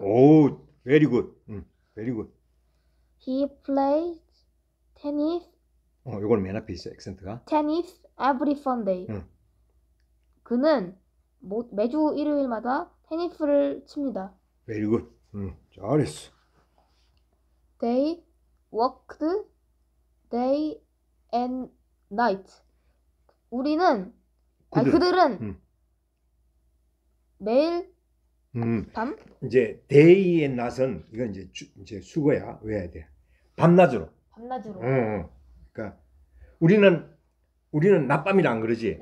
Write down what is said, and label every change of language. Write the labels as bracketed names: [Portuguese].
[English] 오, very good. Very good. He plays tennis. [Korean] 이건 맨 앞에 있어, 액센트가. [English] Tennis every Sunday. [Korean] 그는 매주 일요일마다 테니스를 칩니다. [English] Very good. [Korean] 잘했어. [English] They worked day and night. [Korean] 우리는 그들, 아니, 그들은 매일 밤 이제 [English] day and night [Korean] 은 이건 이제 이제 수거야 외워야 돼. 밤낮으로. 밤낮으로. 그러니까 우리는 낮밤이라 안 그러지.